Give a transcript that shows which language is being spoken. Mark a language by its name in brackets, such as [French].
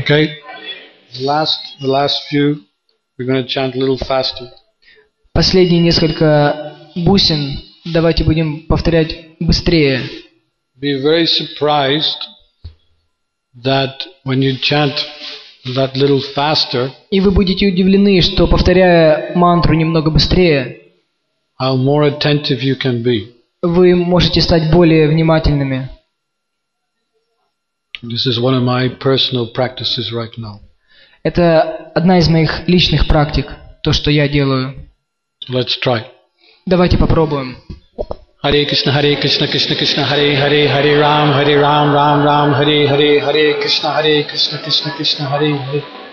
[English] Okay, the last few, we're going to chant a little faster. [Russian] Последние несколько бусин давайте будем повторять быстрее. [English] Be very surprised that when you chant that little faster, [Russian] и вы будете удивлены, что повторяя мантру немного быстрее, [English] how more attentive you can be. [Russian] Вы можете стать более внимательными. [English] This is one of my personal practices right now. [Russian] Это одна из моих личных практик, то, что я делаю. [English] Let's try. [Russian] Давайте попробуем. [Sanskrit] Hare Krishna, Hare Krishna, Krishna Krishna, Hare Hare, Hare Ram, Hare Ram, Ram Ram, Hare Hare, Hare Krishna, Hare Krishna, Krishna Krishna, Hare Hare.